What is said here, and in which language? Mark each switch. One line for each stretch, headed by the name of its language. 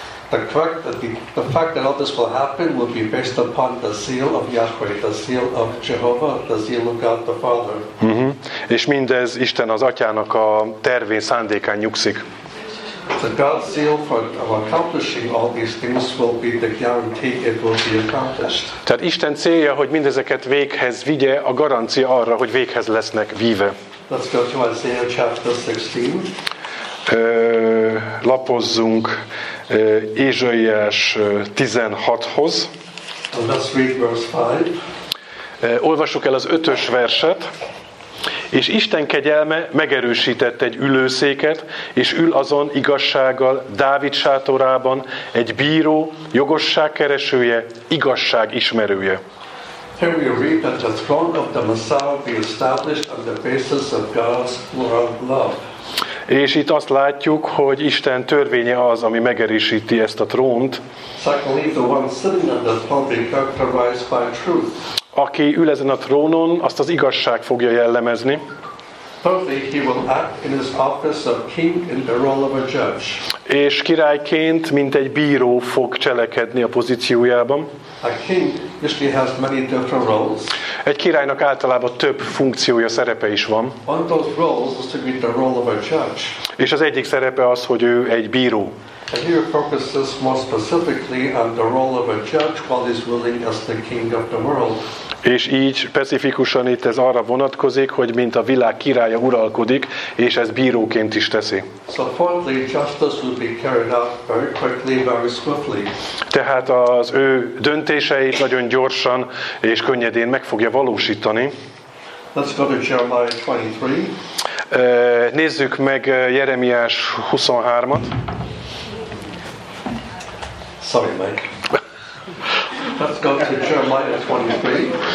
English: the fact that all this will happen will be based upon the zeal of Yahweh, the zeal of Jehovah, the zeal of God the Father. Mm-hmm.
Hungarian: És mindez Isten az Atyának a tervén, szándékán nyugszik.
English: The God's zeal for accomplishing all these things will be the guarantee it will be accomplished.
Hungarian: Tehát Isten célja, hogy mindezeket véghez vigye, a garancia arra, hogy véghez lesznek víve.
English: Let's go to Isaiah chapter 16.
Hungarian: Lapozzunk Ézsaiás 16-hoz.
English: Let's read verse 5.
Hungarian: Olvassuk el az 5-ös verset. És Isten kegyelme megerősített egy ülőszéket, és ül azon igazsággal Dávid sátorában egy bíró, jogosságkeresője, igazság ismerője.
English: Here we read that the throne of the Messiah be established on the basis of God's love.
Hungarian: És itt azt látjuk, hogy Isten törvénye az, ami megerősíti ezt a trónt.
English: Secondly, the one sitting on the throne being characterized by truth.
Hungarian: Aki ül ezen a trónon, azt az igazság fogja jellemezni.
English: Thirdly, he will act in his office of king in the role of a judge.
Hungarian: És királyként, mint egy bíró fog cselekedni a pozíciójában.
English: A king usually has many different roles.
Hungarian: Egy királynak általában több funkciója, szerepe is van.
English: One of those roles is to be the role of a judge.
Hungarian: És az egyik szerepe az, hogy ő egy bíró.
English: And he focuses more specifically on the role of a judge while he's ruling as the king of the world.
Hungarian: És így specifikusan itt ez arra vonatkozik, hogy mint a világ királya uralkodik, és ez bíróként is teszi.
English: So fourthly, justice will be carried out very quickly, very swiftly.
Hungarian: Tehát az ő döntéseit nagyon gyorsan és könnyedén meg fogja valósítani.
English: Let's go to Jeremiah 23.
Hungarian: Nézzük meg Jeremiás 23-at.
English: Sorry, Mike. Let's go to Jeremiah 23.